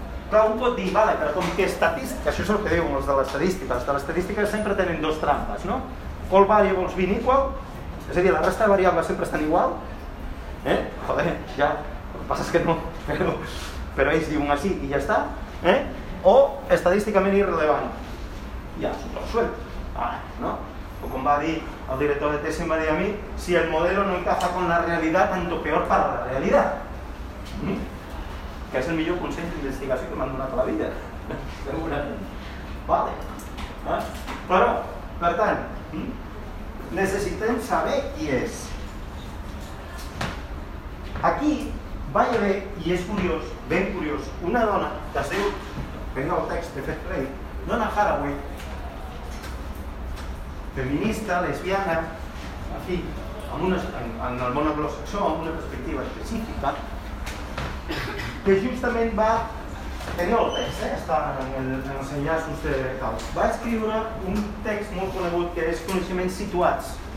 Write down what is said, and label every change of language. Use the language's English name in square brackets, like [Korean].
[Catalan] Però un pot dir, vale, però com que estatístic, això és el que diuen els de l'estadística, els de l'estadística sempre tenen dos trampes, no? [English] All variables being equal, [Catalan] és a dir, la resta de variables sempre estan igual, eh? Joder, ja, el que passa és que no, però ells diuen així i ja està, eh? O estadísticament irrelevant, ja, [Spanish] super suelto, [Catalan] no? O com va dir el director de tesis, em va dir a mi, [Spanish] si el modelo no encaja con la realidad, tanto peor para la realidad. Mm? [Catalan] Que és el millor consell d'investigació que m'han donat a la vida. Vale. Però, per tant, necessitem saber qui és. Aquí va haver, i és curiós, ben curiós, una dona que es diu, venga el text de Fair Play, Donna Haraway, feminista, lesbiana, en fi, en el món anglosaxó, amb una perspectiva específica, que justament va, tenia el text, està en els enllaços de tal, va escriure un text molt conegut que és Coneixements situats.